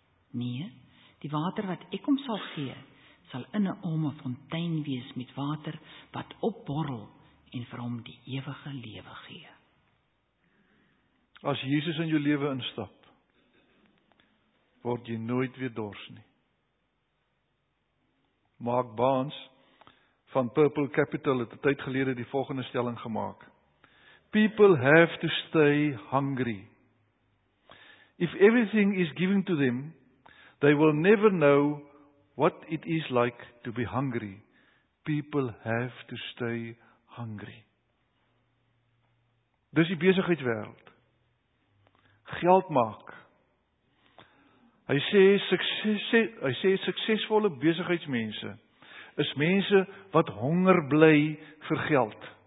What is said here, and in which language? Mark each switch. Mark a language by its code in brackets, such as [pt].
[af] Nee, die water wat ek hom sal gee, sal in 'n oome fontein wees met water wat opborrel en vir hom die ewige lewe gee. As Jesus in jou lewe instap, word jy nooit weer dors nie. Maak baans, van Purple Capital het 'n tyd gelede die volgende stelling gemaak. [en] People have to stay hungry. If everything is given to them, they will never know what it is like to be hungry. People have to stay hungry. [af] Dis die besigheidswêreld. Geld maak. Hy sê suksesvolle besigheidsmense is mense wat honger bly vir geld.